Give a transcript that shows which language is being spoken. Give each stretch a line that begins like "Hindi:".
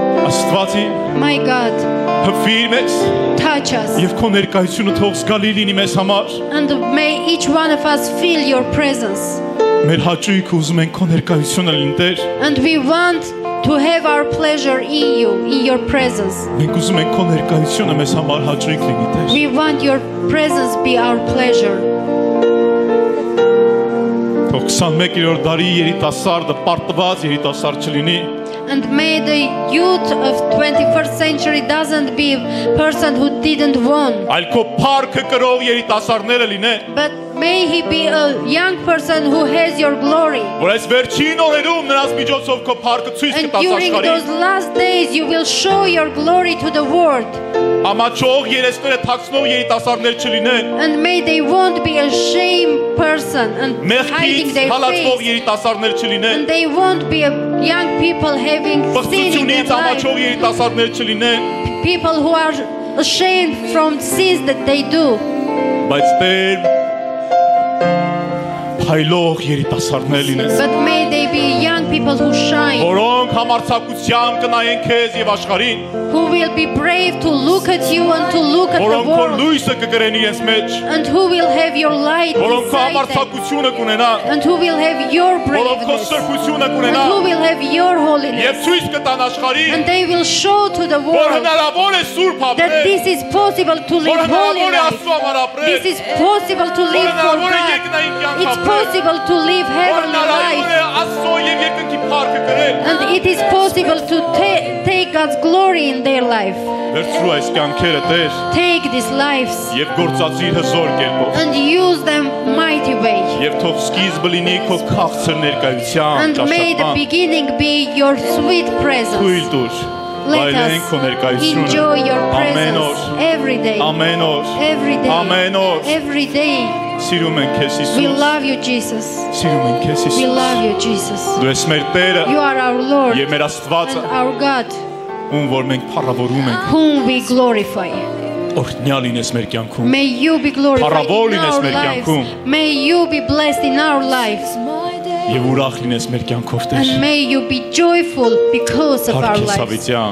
Armenian: Աստվածի,
English: My God,
Armenian: Հփիր մեզ, Եվ քո ներկայությունը թող զգալի լինի մեզ համար։
English: And may each one of us feel your presence.
Armenian: Մեր հաճույքը ուզում ենք քո ներկայությունը լինի Տեր.
English: And we want to have our pleasure in you, in your presence.
Armenian: Մենք ուզում ենք քո ներկայությունը մեզ համար հաճույք լինի Տեր.
English: We want your presence be our pleasure.
Armenian: 21-րդ դարի երիտասարդը պարտված երիտասարդ չլինի.
English: And may the youth of 21st century doesn't be a person who didn't want.
Armenian: Այլ քո փառքը կրող երիտասարդները լինեն.
English: But may he be a young person who has your glory.
Armenian: Որ այս վերջին օրերում նրանց միջոցով քո փառքը ցույց կտաս աշխարհին.
English: And during those last days you will show your glory to the world.
Armenian: Ամաչող երեսները թաքցնող երիտասարդներ չլինեն։
English: And may they won't be a shame person and hiding their face.
Armenian: Մեղքից հալածվող երիտասարդներ չլինեն։
English: And they won't be a young people having sin in their life.
Armenian: Բացի ունից ամաչող երիտասարդներ չլինեն։
English: People who are ashamed from sins that they do.
Armenian: Բայց Տեր փայլող երիտասարդներ լինեն։
English: But may they be young people who shine.
Armenian: Որոնք համարձակությամբ կնայեն քեզ եւ աշխարհին։
English: Who will be brave to look at you and to look at the world?
Armenian: Որոնք լույսը կգրեն իրենց մեջ։
English: And who will have your light?
Armenian: Որոնք համարձակությունը կունենան։
English: And who will have your bravery?
Armenian: Որոնք սրբությունը կունենան։
English: And who will have your holiness?
Armenian: Եւ ցույց կտան աշխարհին։
English: And they will show to the world.
Armenian: Որ հնարավոր է սուրբ ապրել։
English: That this is possible to live holy.
Armenian: Որ հնարավոր է աստծո համար ապրել։
English: This is possible to live for God.
Armenian: Որ հնարավոր է երկնային կյանք ապրել։
English: It's possible to live heavenly life.
Armenian: Որ հնարավոր է աստծո եւ երկնքի փառքը գրել։
English: And it is possible to take God's glory in their life.
Armenian: Վերցրու այս կյանքերը Տեր։
English: Take these lives.
Armenian: Եւ գործածիր հզոր կերպով։
English: And use them mighty way.
Armenian: Եւ թող սկիզբը լինի քո քաղցր ներկայությամբ։
English: And may the beginning be your sweet presence.
Armenian: Թույլ տուր։
English: Let us enjoy your presence every day.
Armenian: Ամեն օր։
English: Every day.
Armenian: Ամեն օր։
English: Every day.
Armenian: Սիրում ենք քեզ Հիսուս։
English: We love you Jesus.
Armenian: Սիրում ենք քեզ Հիսուս։
English: We love you Jesus.
Armenian: Դու ես մեր Տերը։
English: You are our Lord.
Armenian: Եվ մեր Աստվածը։
English: And our God.
Armenian: Ում որ մենք փառավորում ենք։
English: Whom we glorify.
Armenian: Օրհնյալ լինես մեր կյանքում։
English: May you be glorified.
Armenian: Փառավոր լինես մեր կյանքում։
English: May you be blessed in our lives.
Armenian: Եվ ուրախ լինես մեր կյանքով Տեր։
English: And may you be joyful because of our lives.